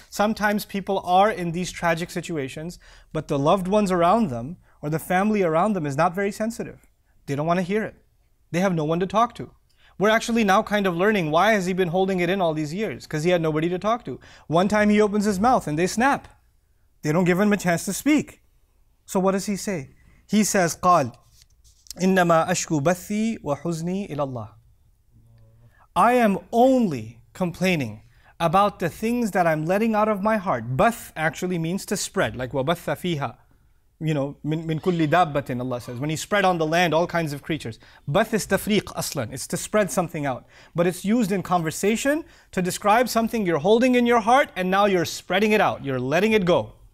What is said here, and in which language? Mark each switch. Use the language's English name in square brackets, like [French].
[English] Sometimes people are in these tragic situations, but the loved ones around them or the family around them is not very sensitive. They don't want to hear it. They have no one to talk to. We're actually now kind of learning, why has he been holding it in all these years? Because he had nobody to talk to. One time he opens his mouth and they snap. They don't give him a chance to speak. So what does he say? [Arabic] He says, قال إنما أشكو بثي وحزني إلى الله. [English] I am only complaining about the things that I'm letting out of my heart. Bath actually means to spread, like [Arabic] وَبَثَّ فِيهَا. [English] You know, min kulli dabbatin, Allah says. When he spread on the land all kinds of creatures. Bath is tafriq aslan. It's to spread something out. But it's used in conversation to describe something you're holding in your heart and now you're spreading it out. You're letting it go.